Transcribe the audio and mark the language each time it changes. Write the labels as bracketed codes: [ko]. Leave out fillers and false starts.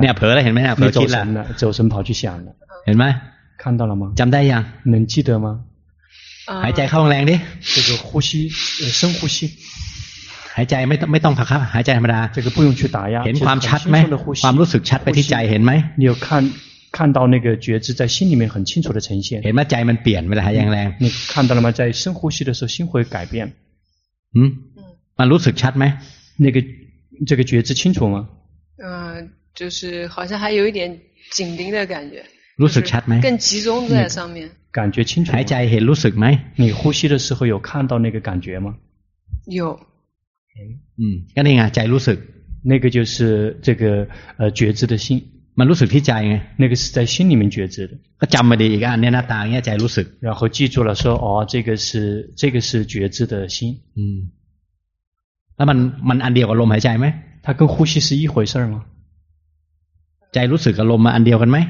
[th] เนี่ยเผลอแล้วเห็นไหมเนี่ยเผลอคิดแล้ว [zh] 走神跑去想了 [th] เห็นไหม [zh] 看到了吗 [th] จำได้ยัง [zh] 能记得吗 [th] หายใจเข้าแรงดิ [zh] 这个呼吸深呼吸 [th] หายใจไม่ต้องพักครับหายใจธรรมดา [zh] 这个不用去打压 [th] เห็นความชัดไหมความรู้สึกชัดไปที่ใจเห็นไหม [zh] 你有看到那个觉知在心里面很清楚的呈现 [th] เห็นไหมใจมันเปลี่ยนเวลาหายใจแรง [zh] 你看到了吗在深呼吸的时候心会改变 [th] มันรู้สึกชัดไหม [zh] 那个这个觉知清楚吗就是好像还有一点紧盯的感觉 [th] รู้สึกชัดไหม [zh] 更集中在上面感觉清楚吗？还在很清楚吗？你呼吸的时候有看到那个感觉吗？有。那个啊，在清楚。那个就是这个觉知的心。 [th] มัน清楚ที่ใจ [zh] 那个是在心里面觉知的。 [th] ก็จำมาดีอีกอันเนี่ยหน้าตาเนี่ยใจรู้สึก。 [zh] 然后记住了说哦，这个是觉知的心。 [th] 那มันอันเดียวกับลมหายใจไหม？ [zh] 它跟呼吸是一回事吗？ [th] ใจรู้สึกกับลมมาอันเดียวกันไหม